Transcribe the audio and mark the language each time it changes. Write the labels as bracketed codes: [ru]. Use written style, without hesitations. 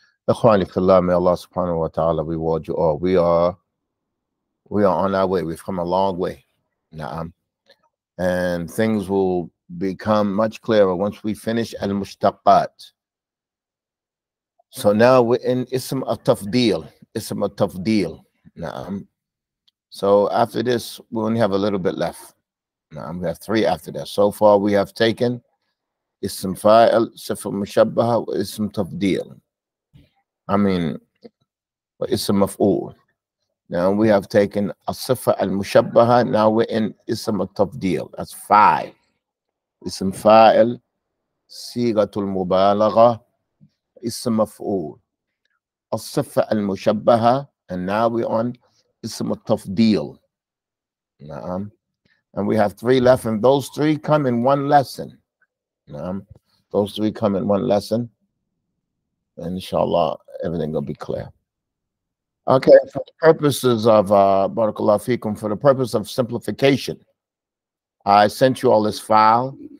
[ar] اخواني في الله، [en] may Allah subhanahu wa ta'ala reward you all. We are on our way. We've come a long way. نعم. And things will become much clearer once we finish المشتقات. So now we're in اسم التفضيل. [ar] اسم التفضيل. نعم. [en] So after this, we only have a little bit left. نعم. We have three after that. So far we have taken اسم فاعل، صفة مشبهة، واسم تفضيل. I mean, اسم مفعول. Now we have taken الصفة المشبهة. Now we're in اسم التفضيل. That's five. [ar] اسم فاعل، صيغة المبالغة، اسم مفعول، الصفة المشبهة. [en] And now we're on اسم التفضيل. [ar] نعم. [en] And we have three left, and those three come in one lesson. Those three come in one lesson. And inshallah, everything will be clear. Okay, for the purposes of, barakallahu fikum, for the purpose of simplification, I sent you all this file.